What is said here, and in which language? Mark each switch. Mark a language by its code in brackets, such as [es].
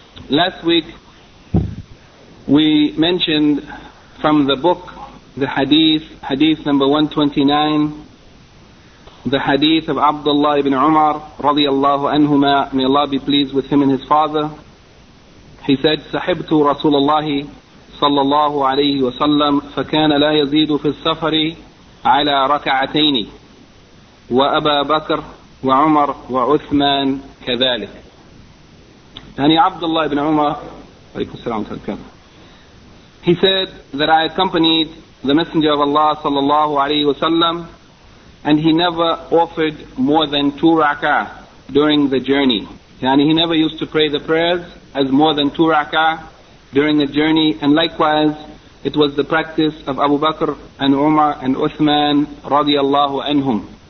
[en] Last week, we mentioned from the book, the hadith number 129, the hadith of Abdullah ibn Umar, radiallahu anhuma, may Allah be pleased with him and his father. He said, [ar] Sahibtu Rasulullah sallallahu alayhi wa sallam, فكان لا يزيد في السفر على ركعتين وأبا بكر وعمر وعثمان كذلك. يعني عبد الله بن عمر عليكم السلام عليكم. [en] He said that I accompanied the Messenger of Allah sallallahu alayhi wa sallam, and he never offered more than two rak'ah during the journey. يعني he never used to pray the prayers as more than two rak'ah during a journey, and likewise it was the practice of Abu Bakr and Umar and Uthman radiallahu anhum.